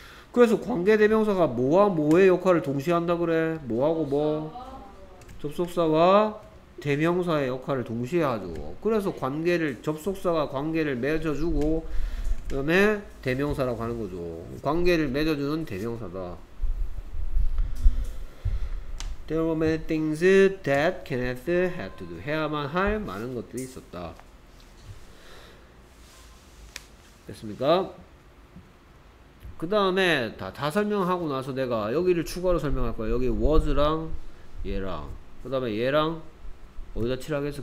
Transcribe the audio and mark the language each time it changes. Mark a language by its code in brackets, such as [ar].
[ko] 그래서 관계대명사가 뭐와 뭐의 역할을 동시에 한다 그래? 뭐하고 뭐? 접속사와 대명사의 역할을 동시에 하죠. 그래서 관계를 접속사가 관계를 맺어주고 그다음에 대명사라고 하는 거죠. 관계를 맺어주는 대명사다. [en] There were many things that Kenneth had to do. [ko] 해야만 할 많은 것들이 있었다. 됐습니까? 그 다음에 다 설명하고 나서 내가 여기를 추가로 설명할 거야. 여기 was랑 얘랑 그 다음에 얘랑 어디다 칠하겠어?